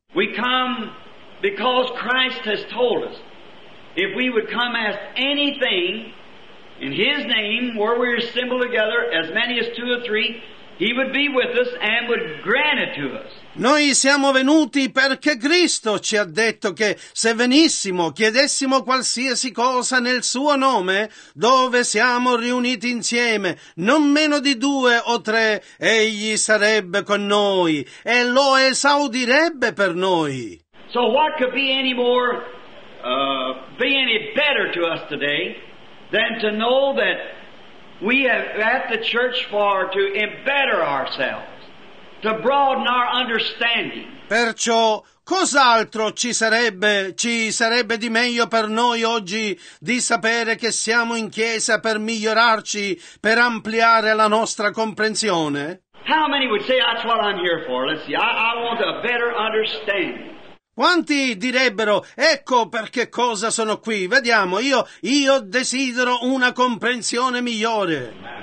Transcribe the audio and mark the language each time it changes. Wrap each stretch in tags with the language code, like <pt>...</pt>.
<en>We come because Christ has told us if we would come as anything in His name where we assemble together as many as two or three, He would be with us and would grant it to us.</en> <it>Noi siamo venuti perché Cristo ci ha detto che se venissimo, chiedessimo qualsiasi cosa nel Suo nome, dove siamo riuniti insieme, non meno di due o tre, Egli sarebbe con noi e lo esaudirebbe per noi.</it> <en>So what could be any more, be any better to us today than to know that we have at the church for to better ourselves, to broaden our understanding.</en> <it>Perciò, cos'altro ci sarebbe di meglio per noi oggi di sapere che siamo in chiesa per migliorarci, per ampliare la nostra comprensione?</it> <en>How many would say that's what I'm here for? Let's see, I want a better understanding.</en> <it>Quanti direbbero, ecco perché cosa sono qui, vediamo, io desidero una comprensione migliore.</it>